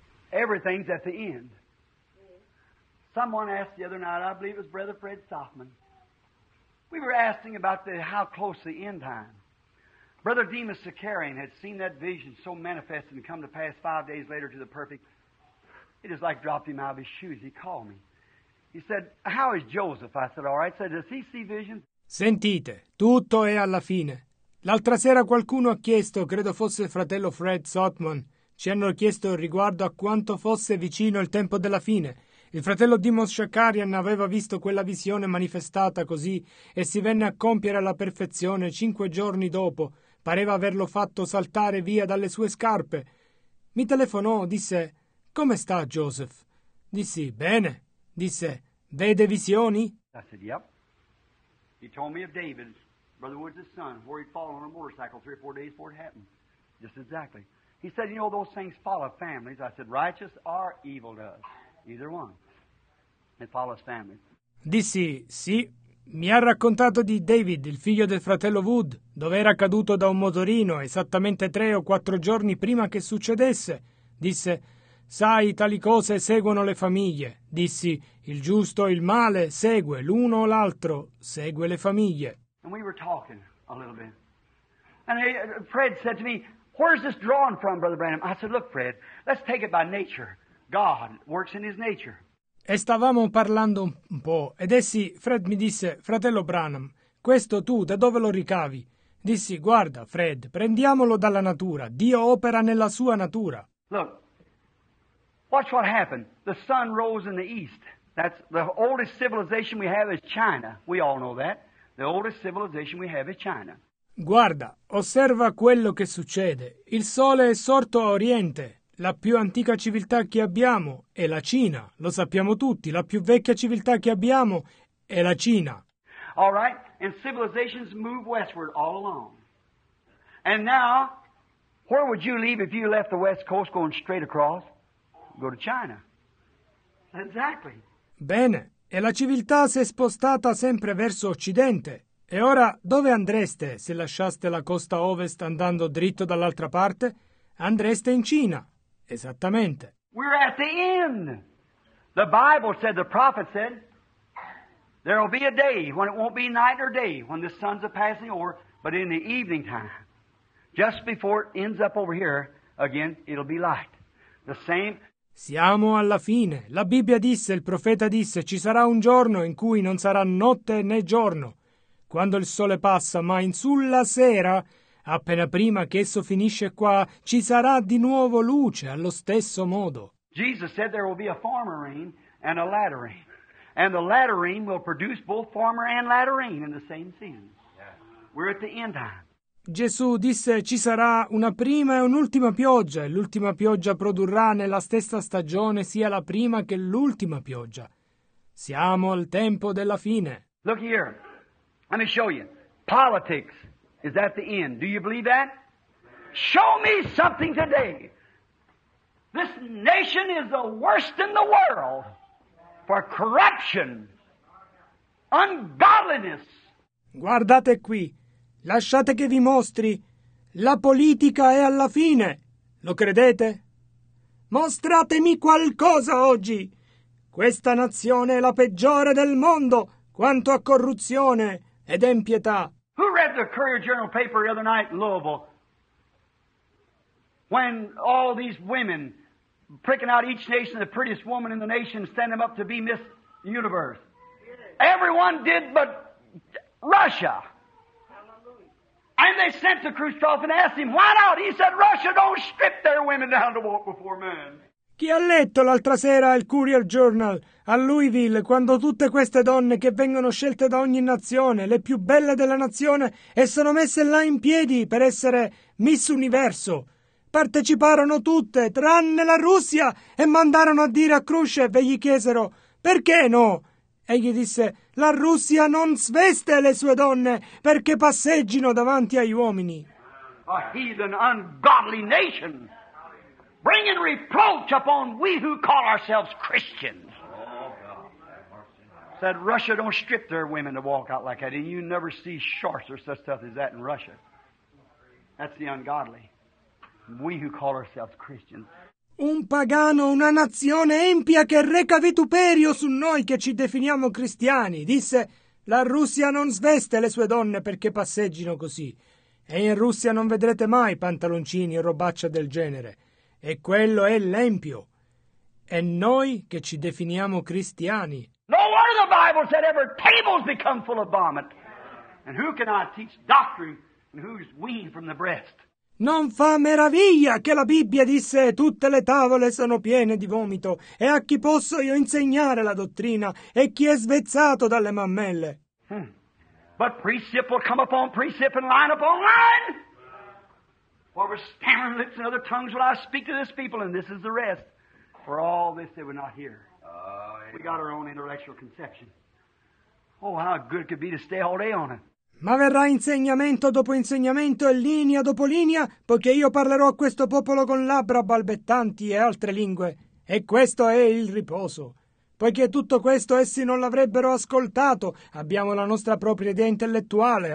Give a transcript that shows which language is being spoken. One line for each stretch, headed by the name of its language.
English: Everything's at the end. Someone asked the other night, I believe it was Brother Fred Stoffman. We were asking about how close the end time. Brother Demas Zakarian had seen that vision so manifest and come to pass 5 days later to the perfect. It is like dropped him out of his shoes. He called me. He said, how is Joseph? I said, all right. I said, does he see visions?
Italian: Sentite, tutto è alla fine. L'altra sera qualcuno ha chiesto, credo fosse il fratello Fred Sotman, ci hanno chiesto riguardo a quanto fosse vicino il tempo della fine. Il fratello Demas Zakarian aveva visto quella visione manifestata così e si venne a compiere alla perfezione 5 giorni dopo. Pareva averlo fatto saltare via dalle sue scarpe. Mi telefonò, disse, come sta Joseph? Dissi, bene. Disse, vede visioni?
English: I said, yep. He told me of David, Brother Woods' son, where he'd fallen on a motorcycle 3 or 4 days before it happened. Just exactly. He said, you know, those things follow families. I said, righteous or evil does. Either one. It follows families.
Italian: Dissi, sì. Mi ha raccontato di David, il figlio del fratello Wood, dove era caduto da un motorino esattamente 3 o 4 giorni prima che succedesse. Disse, sai, tali cose seguono le famiglie. Dissi, il giusto e il male segue l'uno o l'altro, segue le famiglie.
English: And we were talking a little bit. And Fred said to me, where is this drawn from, Brother Branham? I said, look, Fred, let's take it by nature. God works in his nature.
Italian: E stavamo parlando un po', ed essi, Fred mi disse, fratello Branham, questo tu da dove lo ricavi? Dissi, guarda, Fred, prendiamolo dalla natura. Dio opera nella sua natura.
English: Look. Watch what happened. The sun rose in the east. That's the oldest civilization we have is China. We all know that. The oldest civilization we have is China.
Italian: Guarda, osserva quello che succede. Il sole è sorto a oriente. La più antica civiltà che abbiamo è la Cina. Lo sappiamo tutti. La più vecchia civiltà che abbiamo è la Cina.
English: All right. And civilizations move westward all along. And now, where would you leave if you left the west coast going straight across? Go to China. Exactly.
Italian: Bene, e la civiltà si è spostata sempre verso occidente. E ora dove andreste se lasciaste la costa ovest andando dritto dall'altra parte? Andreste in Cina. Esattamente.
English: We're at the end. The Bible said, the prophet said, there will be a day when it won't be night or day when the sun's a passing over, but in the evening time, just before it ends up over here, again, it'll be light. The same.
Italian: Siamo alla fine. La Bibbia disse, il profeta disse, ci sarà un giorno in cui non sarà notte né giorno. Quando il sole passa, ma in sulla sera, appena prima che esso finisce qua, ci sarà di nuovo luce allo stesso modo.
English: Jesus said there will be a former rain and a latter rain. And the latter rain will produce both former and latter rain in the same season. We're at the end time.
Italian: Gesù disse ci sarà una prima e un'ultima pioggia e l'ultima pioggia produrrà nella stessa stagione sia la prima che l'ultima pioggia. Siamo al tempo della fine.
English: Look here. Let me show you. Politics is at the end. Do you believe that? Show me something today. This nation is the worst in the world for corruption, ungodliness.
Italian: Guardate qui. Lasciate che vi mostri. La politica è alla fine. Lo credete? Mostratemi qualcosa oggi. Questa nazione è la peggiore del mondo quanto a corruzione ed impietà.
English: Who read the Courier Journal paper the other night in Louisville? When all these women picking out each nation the prettiest woman in the nation stand them up to be Miss Universe. Everyone did but Russia. And they sent to Khrushchev and asked him, why not? He said, Russia don't strip their women down to walk before men.
Italian: Chi ha letto l'altra sera il Courier Journal a Louisville quando tutte queste donne che vengono scelte da ogni nazione, le più belle della nazione, e sono messe là in piedi per essere Miss Universo? Parteciparono tutte, tranne la Russia, e mandarono a dire a Khrushchev e gli chiesero, perché no? Egli disse, La Russia non sveste le sue donne perché passeggino davanti agli uomini.
English: A heathen, ungodly nation, bringing reproach upon we who call ourselves Christians. Said Russia don't strip their women to walk out like that, and you never see shorts or such stuff as that in Russia. That's the ungodly. We who call ourselves Christians.
Italian: Un pagano, una nazione empia che reca vituperio su noi che ci definiamo cristiani, disse: la Russia non sveste le sue donne perché passeggino così. E in Russia non vedrete mai pantaloncini o robaccia del genere. E quello è l'empio. E noi che ci definiamo cristiani.
English: No wonder the Bible said ever tables become full of vomit. And who can I teach doctrine and who's weaned from the breast?
Italian: Non fa meraviglia che la Bibbia disse tutte le tavole sono piene di vomito e a chi posso io insegnare la dottrina e chi è svezzato dalle mammelle?
English: But precept will come upon precept and line upon line. For with stammering lips and other tongues will I speak to this people, and this is the rest. For all this they will not hear. We got our own intellectual conception. Oh, how good it could be to stay all day on it.
Italian: Ma verrà insegnamento dopo insegnamento e linea dopo linea, poiché io parlerò a questo popolo con labbra balbettanti e altre lingue. E questo è il riposo. Poiché tutto questo essi non l'avrebbero ascoltato, abbiamo la nostra propria idea intellettuale.